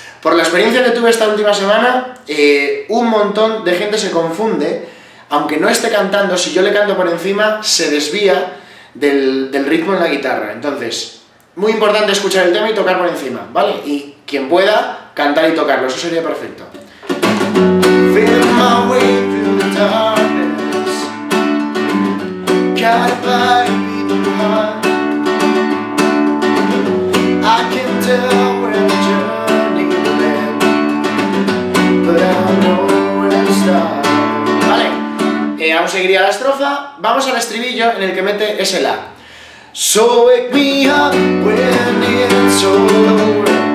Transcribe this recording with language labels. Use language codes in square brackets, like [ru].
[es] Por la experiencia que tuve esta última semana, un montón de gente se confunde, aunque no esté cantando, si yo le canto por encima, se desvía del ritmo en la guitarra. Entonces, muy importante escuchar el tema y tocar por encima, ¿vale? Y quien pueda, cantar y tocarlo, eso sería perfecto. [en] Feel my way through the darkness, caught by a beating heart. I can tell where the journey will end, but I know where to start. [es] Vale, vamos a seguir a la estrofa, vamos al estribillo en el que mete ese la. [en] So wake me up when it's over.